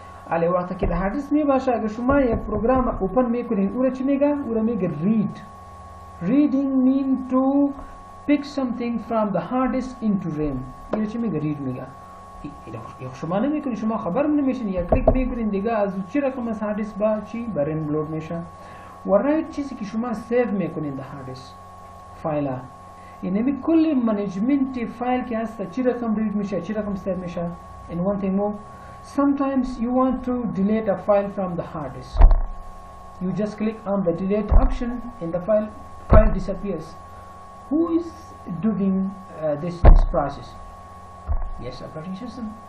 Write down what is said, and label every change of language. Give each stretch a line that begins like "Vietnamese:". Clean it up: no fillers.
Persian: علی وقتا که ده هارد دیسک میباشه اگر شما یک پروگرام اوپن میکنین او را چی میگه؟ او را میگه read.
English: Reading mean to pick something from the hard disk into RAM.
Persian: او را چی میگه read میگه؟ یک شما نمیکنین، شما خبر نمیشین، یک کلیک میکنین دیگه از چی رقم از هارد دیسک با چی با RAM لود میشه. و رایت چیزی که شما سیو میکنین ده هارد دیسک فایل ها اینمی کل منیجمنت فایل که هست چی رقم رید میشه چی رقم سیو میشه.
English: And one thing more, sometimes you want to delete a file from the hard disk. You just click on the delete option and the file disappears. Who is doing this process? Yes, operating system.